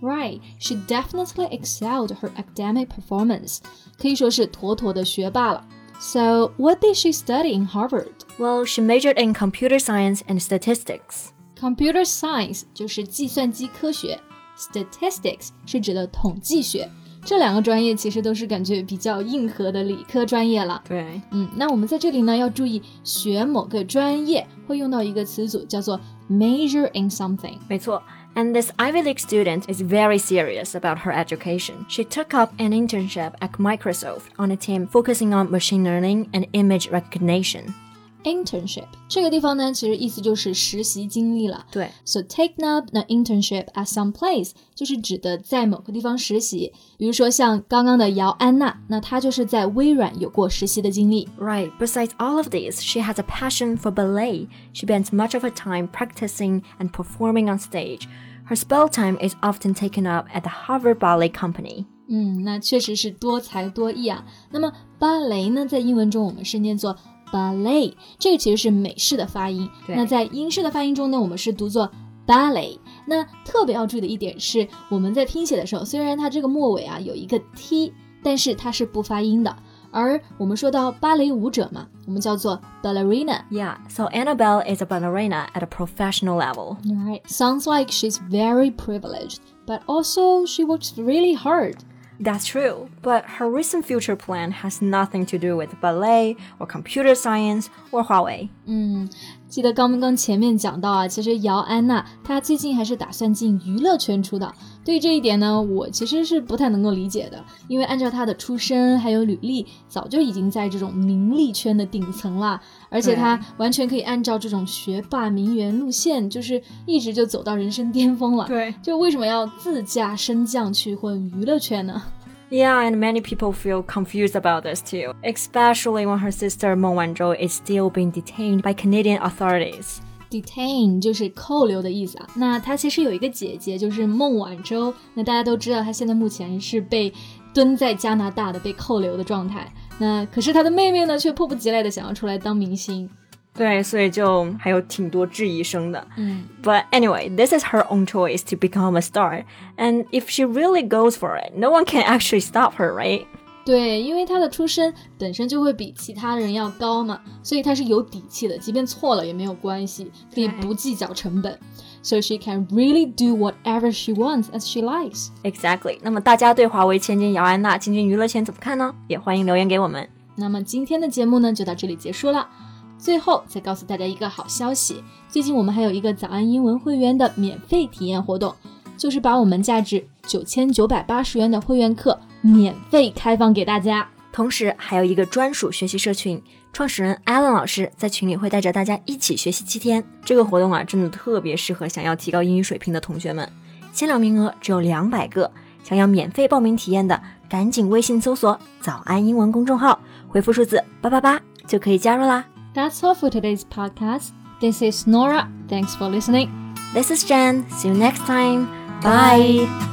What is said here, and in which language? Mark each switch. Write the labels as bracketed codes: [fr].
[en] Right, she definitely excelled her academic performance， [zh] 可以说是妥妥的学霸了。 [en] So, what did she study in Harvard? Well, she majored in computer science and statistics. [zh] Computer science 就是计算机科学，Statistics 是指的统计学，这两个专业其实都是感觉比较硬核的理科专业了。对，那我们在这里呢要注意，学某个专业会用到一个词组叫做 major in something。没错， [en] and this Ivy League student is very serious about her education. She took up an internship at Microsoft on a team focusing on machine learning and image recognition. [zh] Internship 这个地方呢，其实意思就是实习经历了。对， [en] So taking up an internship at some place [zh] 就是指的在某个地方实习，比如说像刚刚的姚安娜，那她就是在微软有过实习的经历。 [en] Right, besides all of these, she has a passion for ballet. She spends much of her time practicing and performing on stage. Her spare time is often taken up at the Harvard Ballet Company. [zh] 那确实是多才多艺啊。那么芭蕾呢，在英文中我们是念作Ballet， 这个其实是美式的发音。那在英式的发音中呢，我们是读作 ballet。那特别要注意的一点是，我们在拼写的时候，虽然它这个末尾啊有一个 t， 但是它是不发音的。而我们说到芭蕾舞者嘛，我们叫做 ballerina。 [en] Yeah, so Annabelle is a ballerina at a professional level. Right, sounds like she's very privileged, but also she works really hard. That's true, but her recent future plan has nothing to do with ballet or computer science or Huawei. [zh] 记得刚刚前面讲到啊，其实姚安娜她最近还是打算进娱乐圈出道。对于这一点呢，我其实是不太能够理解的，因为按照她的出身还有履历，早就已经在这种名利圈的顶层了，而且她完全可以按照这种学霸名媛路线，就是一直就走到人生巅峰了。对，就为什么要自驾升降去混娱乐圈呢？ [en] Yeah, and many people feel confused about this too, especially when her sister Meng Wanzhou is still being detained by Canadian authorities. [zh] Detain 就是扣留的意思啊。那她其实有一个姐姐，就是孟晚舟。那大家都知道，她现在目前是被蹲在加拿大的，被扣留的状态。那可是她的妹妹呢，却迫不及待的想要出来当明星。对，所以就还有挺多质疑声的。 [en] But anyway, this is her own choice to become a star. And if she really goes for it, no one can actually stop her, right? [zh] 对，因为她的出身本身就会比其他人要高嘛，所以她是有底气的，即便错了也没有关系，可以不计较成本。 [en] So she can really do whatever she wants as she likes. Exactly. [zh] 那么大家对华为千金姚安娜进军娱乐圈怎么看呢？也欢迎留言给我们。那么今天的节目呢，就到这里结束了。最后再告诉大家一个好消息，最近我们还有一个早安英文会员的免费体验活动，就是把我们价值9980元的会员课免费开放给大家。同时还有一个专属学习社群，创始人 Alan 老师在群里会带着大家一起学习7天。这个活动啊，真的特别适合想要提高英语水平的同学们，限量名额只有200个，想要免费报名体验的赶紧微信搜索早安英文公众号，回复数字888就可以加入啦。 [en] That's all for today's podcast. This is Nora. Thanks for listening. This is Jen. See you next time. Bye.